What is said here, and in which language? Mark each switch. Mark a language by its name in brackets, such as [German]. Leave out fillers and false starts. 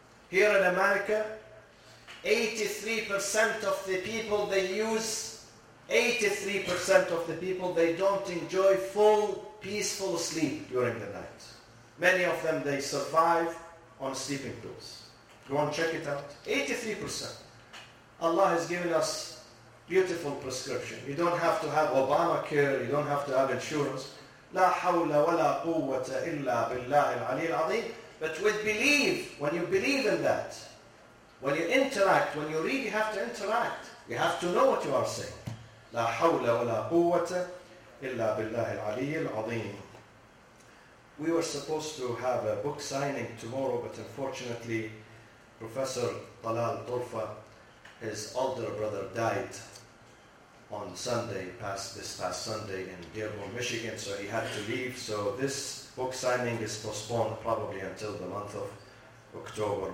[English] Here in America, 83% of the people they use, 83% of the people, they don't enjoy full, peaceful sleep during the night. Many of them, they survive on sleeping pills. Go and check it out. 83%. Allah has given us beautiful prescription. You don't have to have Obamacare. You don't have to have insurance. [Arabic] لا حول ولا قوة إلا بالله العلي العظيم. [English] But with belief, when you believe in that, when you interact, when you really have to interact, you have to know what you are saying. [Arabic] لا حول ولا قوة إلا بالله العلي العظيم. [English] We were supposed to have a book signing tomorrow, but unfortunately, Professor Talal Turfa, his older brother, died on Sunday, this past Sunday in Dearborn, Michigan, so he had to leave. So this book signing is postponed probably until the month of October.